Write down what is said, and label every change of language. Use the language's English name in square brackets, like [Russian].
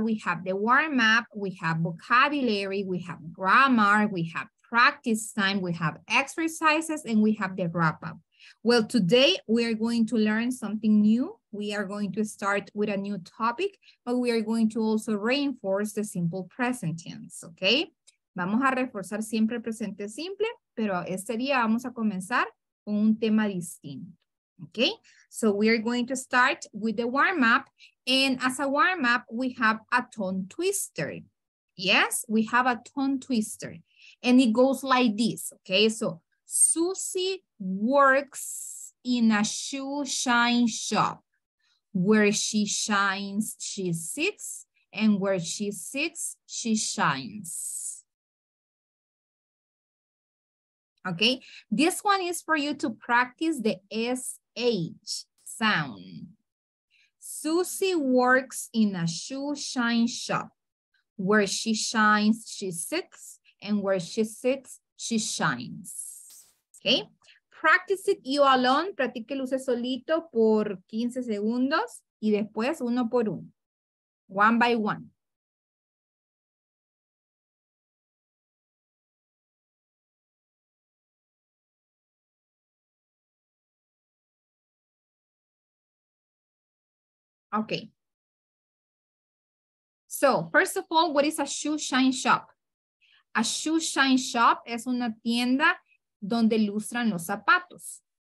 [English] We have the warm up, we have vocabulary, we have grammar, we have practice time, we have exercises, and we have the wrap up. Well, today we are going to learn something new. We are going to start with a new topic, but we are going to also reinforce the simple present tense, okay? [Spanish] Vamos a reforzar siempre el presente simple, pero este día vamos a comenzar con un tema distinto. [English] Okay, so we are going to start with the warm up. And as a warm up, we have a tongue twister. Yes, we have a tongue twister. And it goes like this. Okay, so Susie works in a shoe shine shop. Where she shines, she sits. And where she sits, she shines. Okay, this one is for you to practice the S. H sound. Susie works in a shoe shine shop. Where she shines, she sits, and where she sits, she shines. Okay? Practice it you alone. [Spanish] Practique luce solito por 15 segundos y después uno por uno. [English] One by one. Okay. So, first of all, what is a shoe shine shop? A shoe shine shop [Spanish] es una tienda donde lustran los zapatos.